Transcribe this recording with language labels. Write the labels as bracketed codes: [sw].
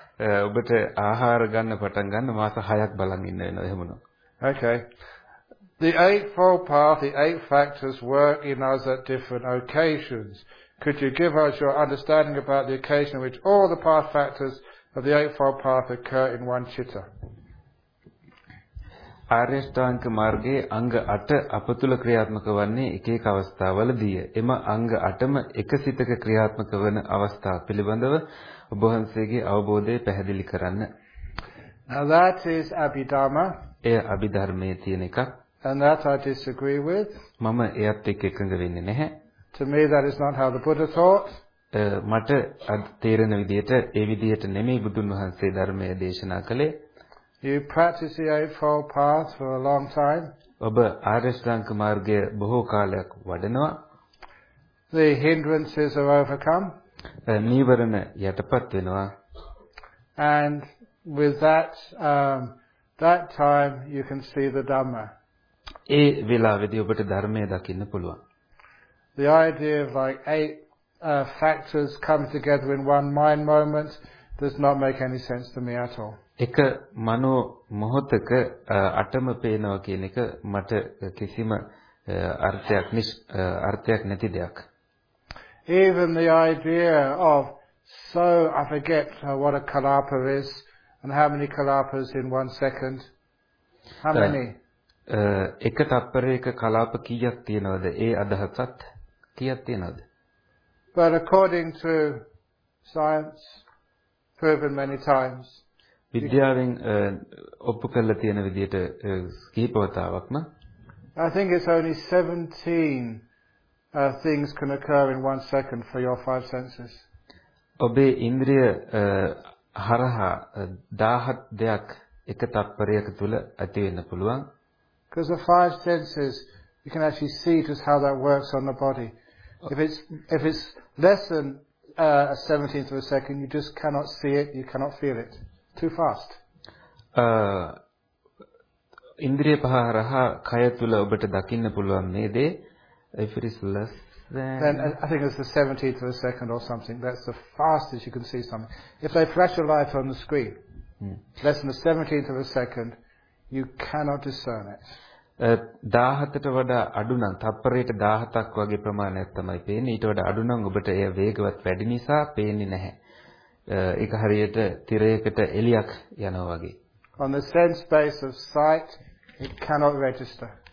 [si] ඔබට ආහාර ගන්න පටන් ගන්න මාස 6ක් බලන් ඉන්න වෙනවා එහෙම නෝ. [en] Okay. The Eightfold Path, the Eight Factors work in us at different occasions. Could you give us your understanding about the occasion in which all the path factors of the Eightfold Path occur in one chitta? [si] ආරියෂ්ටාංග මාර්ගයේ අංග 8 අපතුල ක්‍රියාත්මක වන්නේ එක එක අවස්ථාවලදීය. එම අංග 8ම එක සිතක ක්‍රියාත්මක වන අවස්ථා පිළිබඳව ඔබ වහන්සේගේ අවබෝධය පැහැදිලි කරන්න. [en] Now that is Abhidharma. [si] එය අභිධර්මයේ තියෙන එකක්. [en] And that I disagree with. [si] මම එයත් එක්ක එකඟ වෙන්නේ නැහැ. [en] To me that is not how the Buddha taught. [si] මට අද තේරෙන විදිහට ඒ විදිහට නෙමෙයි බුදුන් වහන්සේ ධර්මය දේශනා කළේ. [en] You practice the Eightfold Path for a long time. [si] ඔබ ආරියෂ්ටාංග මාර්ගය බොහෝ කාලයක් වඩනවා. [en] the hindrances are overcome. [si] නීවරණ යටපත් වෙනවා. [en] And with that that time you can see the Dhamma. [si] ඒ වෙලාවේදී ඔබට ධර්මය දකින්න පුළුවන්. [en] The idea of like eight factors come together in one mind moment does not make any sense to me at all. [si] එක මනෝ මොහොතක අටම පේනවා කියන එක මට කිසිම අර්ථයක් නැති දෙයක්. [en] Even the idea of so I forget what a kalapa is and how many kalapas in one second. How many? [si] එක තප්පරයක කලාප කීයක් තියෙනවද? ඒ අදහසත් කීයක් තියෙනවද? [en] But according to science, proven many times. [si] විද්‍යාවෙන් ඔප්පු කරලා තියෙන විදිහට කීප වතාවක්ම. [en] I think it's only 17 things can occur in one second for your five senses. [si] ඔබේ ඉන්ද්‍රිය හරහා 17 දෙයක් එක තප්පරයක තුල ඇති වෙන්න පුළුවන්. [en] Because the five senses, you can actually see just how that works on the body. If it's less than a 17th of a second, you just cannot see it, you cannot feel it. Too fast. [si] ඉන්ද්‍රිය පහ හරහා කය තුල ඔබට දකින්න පුළුවන් මේ දේ. [en] If it is less than I think it's the 17th of a second or something, that's the fastest you can see something. If they flash a light on the screen, less than a 17th of a second, you cannot discern it. [si] 17ට වඩා අඩු නම් තප්පරයට 17ක් වගේ ප්‍රමාණයක් තමයි පේන්නේ. ඊට වඩා අඩු නම් ඔබට එය වේගවත් වැඩි නිසා පේන්නේ නැහැ. ඒක හරියට තිරයකට එලියක් යනවා වගේ. [en] On the sense base of sight, it cannot register.